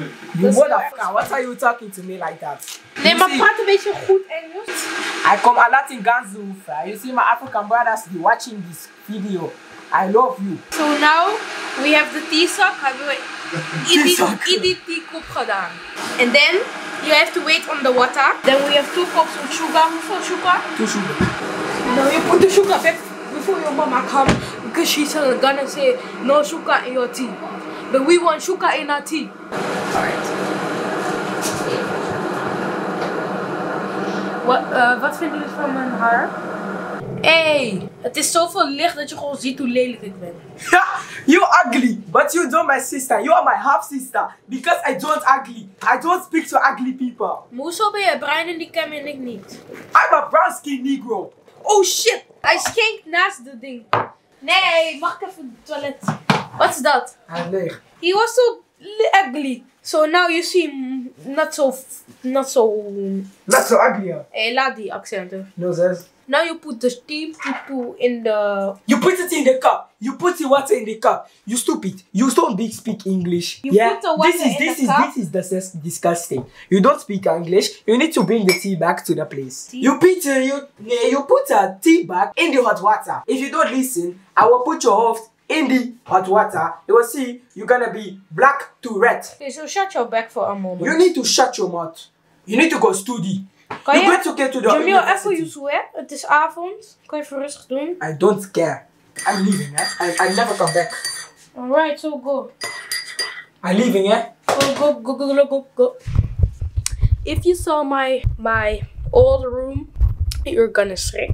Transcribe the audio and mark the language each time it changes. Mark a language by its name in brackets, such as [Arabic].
[English] You motherfucker, what are you talking to me like that? [Dutch] Nee, maar praat een beetje goed Engels. [English] I come a lot in Gansu. You see, my African brothers be watching this video. I love you. So now we have the tea sock. Hebben we iedere tea cup gedaan. And then you have to wait on the water. Then we have 2 cups of sugar. [Dutch] Hoeveel [English] sugar? 2 sugar. Now you put the sugar back before your mama come, because she's gonna say no sugar in your tea. But we want sugar in our tea. Alright. [Dutch] Wat vinden jullie van mijn haar? Hey, het is zoveel licht dat je gewoon ziet hoe lelijk ik ben. [English] Ja, you ugly, but you don't my sister. You are my half sister. Because I don't ugly. I don't speak to ugly people. [Dutch] Maar hoezo ben je bruin in die cam en ik niet? [English] I'm a brown skin negro. Oh shit! [Dutch] Hij schenkt naast de ding. Nee, mag ik even het toilet? Wat is dat? Hij leeg. [English] He was so ugly. So now you see him not so... Not so ugly, ja. [Dutch] Hey, laat die accenten. [English] No sense. Now you put the steam poo-poo in the... You put it in the cup. You put the water in the cup. You stupid. You don't speak English. You put the water in the cup. This is disgusting. You don't speak English. You need to bring the tea back to the place. Tea? You put a tea bag in the hot water. If you don't listen, I will put your hoofd in the hot water. You will see you're gonna be black to red. Okay, so shut your back for a moment. You need to shut your mouth. You need to go study. [Dutch] Kan [English] you're going to get to the Jamil, university. [Dutch] Jamil, even je zo, het is avond. Kan je even rustig doen? [English] I don't care. I'm leaving, eh? I never come back. Alright, so go. I'm leaving, eh? Go. If you saw my old room, you're gonna schrik.